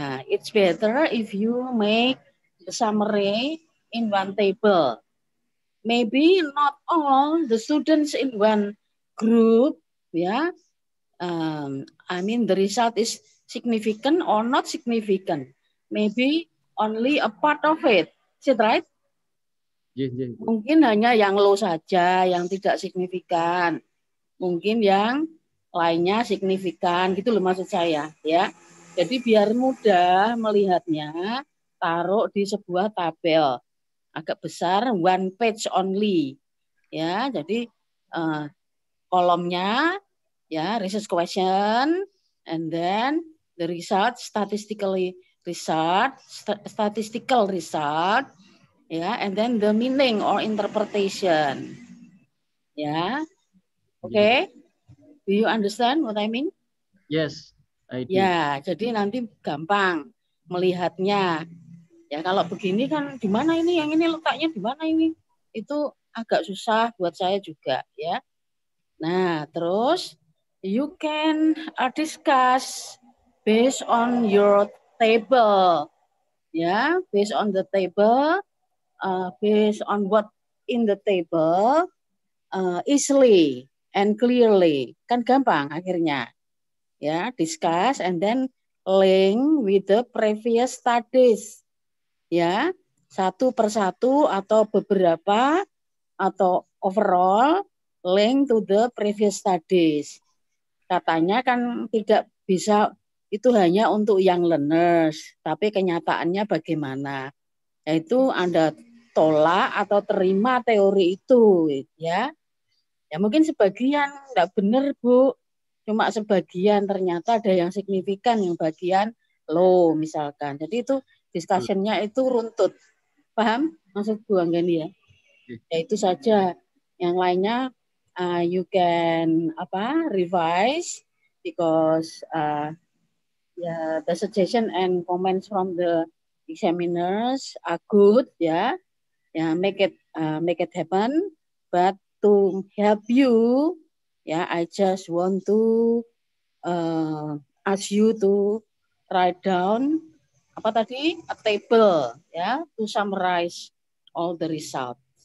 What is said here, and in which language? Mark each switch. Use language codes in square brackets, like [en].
[en] It's better if you make the summary in one table. Maybe not all the students in one group, yeah. I mean the result is significant or not significant. Maybe only a part of it, is it right? Yes. [id] Mungkin hanya yang low saja, yang tidak signifikan. Mungkin yang lainnya signifikan, gitu loh maksud saya, ya. Jadi biar mudah melihatnya, taruh di sebuah tabel agak besar, [en] one page only, [id] ya. Jadi kolomnya, [en] ya, research question, and then the result statistically. Statistical result, ya, yeah, and then the meaning or interpretation, ya, yeah. Okay, do you understand what I mean? Yes, I do. [id] Ya, yeah, jadi nanti gampang melihatnya, Ya kalau begini kan di mana ini, yang ini letaknya di mana ini? Itu agak susah buat saya juga ya. Nah, terus [en] you can discuss based on your table. Ya, based on the table, based on what in the table easily and clearly. [id] Kan gampang akhirnya. [en] Ya, discuss and then link with the previous studies. [id] Ya, satu persatu atau beberapa atau [en] overall link to the previous studies. [id] Katanya kan tidak bisa itu hanya untuk young learners, tapi kenyataannya bagaimana? Yaitu Anda tolak atau terima teori itu, ya. Ya mungkin sebagian enggak benar, Bu. Cuma sebagian ternyata ada yang signifikan, yang bagian low misalkan. Jadi itu discussion-nya itu runtut. Paham maksud Bu Anggeni ya? Ya itu saja. Yang lainnya [en] you can revise because the suggestion and comments from the examiners are good, make it happen, but to help you, I just want to ask you to write down a table, to summarize all the results.